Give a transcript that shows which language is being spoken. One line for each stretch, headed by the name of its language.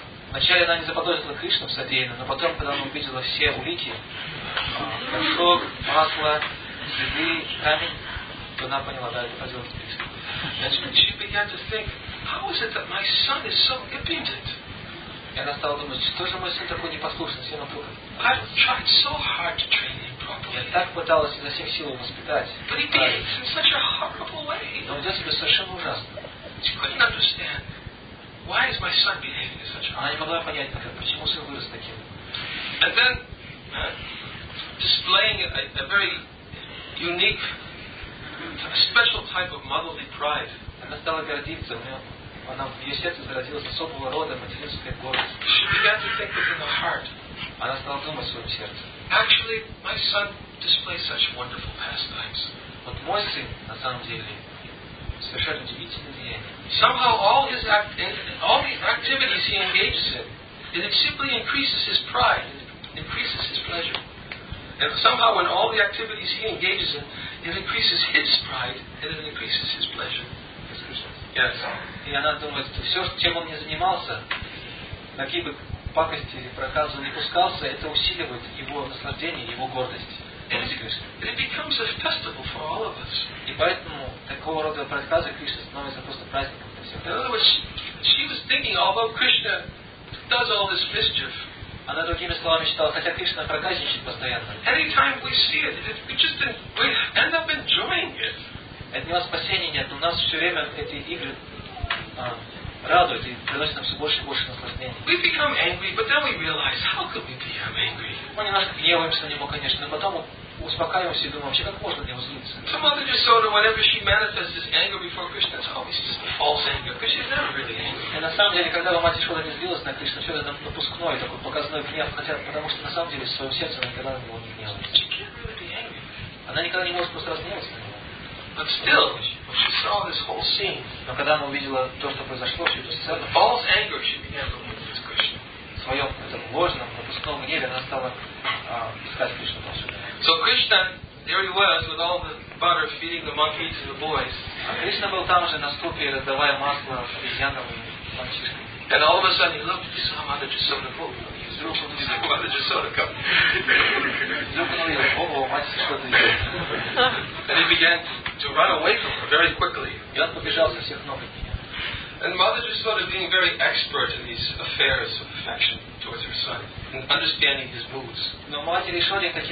Russian: Вначале она не заподозрила Кришну в содеянном, но потом, когда она увидела все улики, горшок, масло, следы, камень, то она поняла, да, это поделать Кришну.
English: And she began to think, how is it that my son is so impudent?
Russian: И она стала думать, что же мой сын такой непослушный, все вокруг.
English: I've tried so hard to train him properly.
Russian: Я так пыталась изо всех сил его воспитать.
English: But he behaves in such a horrible way.
Russian: Но ведет себя совершенно ужасно.
English: She couldn't understand. Why is my son behaving such?
Russian: Она не могла понять, например, почему сын вырос таким.
English: And then, displaying a very unique, a special type of motherly pride.
Russian: Она стала гордиться, у нее, она в ее сердце зародилась особого рода материнская гордость.
English: She began to think within her heart.
Russian: Она стала думать в своем сердце.
English: Actually, my son displays such wonderful pastimes.
Russian: Вот мой сын, на самом деле, совершенно удивительное деяние.
English: Somehow all the activities he engages in, it simply increases his pride, it increases his pleasure. And somehow when all the activities he engages in, it increases his pride and it increases his pleasure. Yes.
Russian: И она думает, что все, чем он не занимался, какие бы пакости или проказы не пускался, это усиливает его наслаждение, его гордость.
English: And it becomes a festival for all of us.
Russian: И поэтому такого рода проказы Кришна становится просто праздником для всех.
English: In other words, she was thinking, although Krishna does all this mischief,
Russian: она другими словами считала, хотя Кришна проказничает постоянно.
English: Anytime we see it, we end up enjoying it.
Russian: От него спасения нет, но нас все время эти игры радуют и приносят нам все больше и больше наслаждения.
English: We become angry, but then we realize, how could we become angry?
Russian: Мы немножко гневаемся на него, конечно, но потом успокаиваемся и думаем, вообще как можно на него злиться?
English: So Mother Jasoda, whenever she manifests this anger before Krishna, it's always just a false anger, because she's never really angry.
Russian: И на самом деле, когда мать Ишода не злилась на Кришну, все это напускной, такой показной гнев, хотя потому что на самом деле в своем сердце она никогда на него не гневалась.
English: She can't really be angry.
Russian: Она никогда не может просто разгневаться на него.
English: But still, When she saw this whole scene,
Russian: но когда она увидела то, что произошло, всю эту сцену,
English: false anger, she began to look at Krishna.
Russian: В своем этом ложном, напускном гневе она стала искать Кришну повсюду.
English: So Krishna, there he was with all the butter feeding the monkey to the boys.
Russian: А Кришна был там же на ступе, раздавая масло обезьянам и мальчишкам.
English: And all of a sudden he looked at his mother just so beautiful. And he began to run away from her very quickly. And Mother Jasoda, being very expert in these affairs of affection towards her son, and understanding his moods.